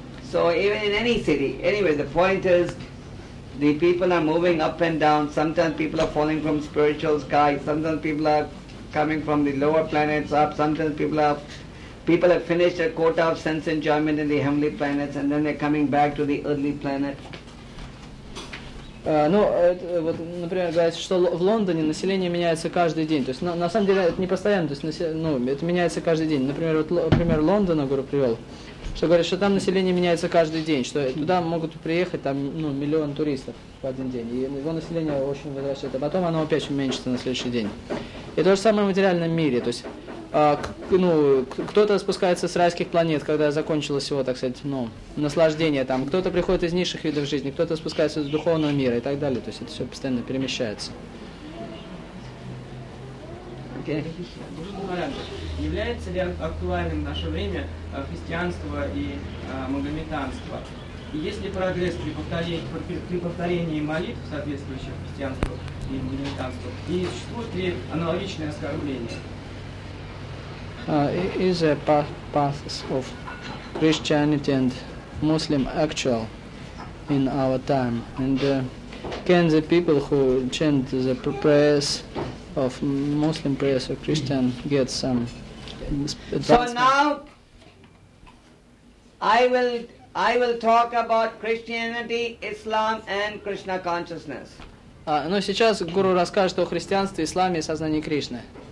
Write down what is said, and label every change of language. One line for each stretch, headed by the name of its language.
English: So even in any city, anyway, the point is the people are moving up and down. Sometimes people are falling from spiritual sky, sometimes people are coming from the lower planets up, sometimes people have finished a quota of sense enjoyment in the heavenly planets and then they're coming back to the earthly planet.
Russian: Ну, вот, например, говорится, что в Лондоне население меняется каждый день. То есть на самом деле это не постоянно, то есть это меняется каждый день. Например, вот пример Лондона, Гуру привел. Что говорят, что там население меняется каждый день, что туда могут приехать там, ну, миллион туристов в один день, и его население очень возрастет, а потом оно опять уменьшится на следующий день. И то же самое в материальном мире, то есть, ну, кто-то спускается с райских планет, когда закончилось его, так сказать, ну, наслаждение там, кто-то приходит из низших видов жизни, кто-то спускается из духовного мира и так далее, то есть это все постоянно перемещается.
English: Okay.
Russian: Является ли актуальным в наше время христианство и магометанство? И есть ли прогресс при повторении молитв соответствующих христианству и магометанству? И существует ли аналогичное оскорбление?
English: Is the path of Christianity and Muslim actual in our time? And can the people who chant the prayers of Muslim prayers or Christian get some advancement? So now I will talk about Christianity, Islam and Krishna consciousness.
Russian: Но сейчас Гуру расскажет о христианстве, исламе и сознании Кришны.